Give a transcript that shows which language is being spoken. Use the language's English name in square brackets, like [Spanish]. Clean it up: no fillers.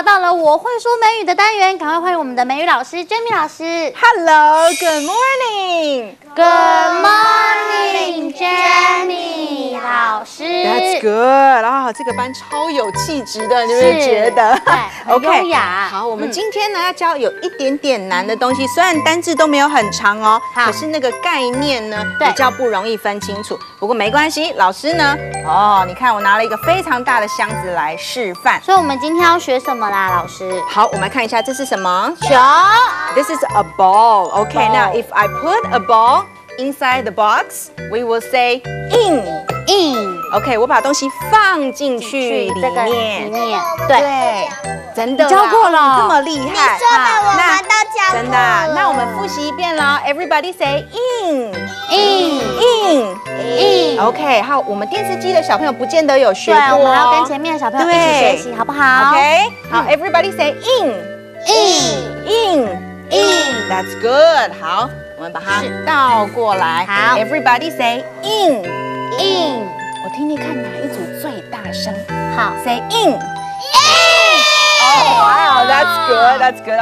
[Chinese] 我会说美语的单元，赶快欢迎我们的美语老师 Jamie 老师。 [English] Hello, good morning, good morning, Jamie 老师。 That's good. [Chinese] 然后这个班超有气质的，你有没有觉得？对，很优雅。 Okay, 好，我们今天呢要教有一点点难的东西，虽然单字都没有很长哦，可是那个概念呢比较不容易分清楚。不过没关系，老师呢？哦，你看我拿了一个非常大的箱子来示范。所以我们今天要学什么啦，老师？好，我们来看一下这是什么？熊。 [English] This is a ball. Okay, ball. Now if I put a ball inside the box, we will say in. In. [Chinese] Okay, 我把东西放进去里面。这个里面。对。真的。你教过了。这么厉害。你说的我们都教过了。真的。那我们复习一遍咯。 [English] Everybody say in. In. [Chinese] OK, 好，我们电视机的小朋友不见得有学过，对，我们还要跟前面的小朋友一起学习，好不好？ [English] OK, 好，Everybody say in. In. In. In. That's good. [Chinese] 好，我们把它倒过来。好， [English] Everybody say in. In. [Chinese] 我听听看哪一组最大声。好， [English] say in. In. Oh, wow, that's good, that's good.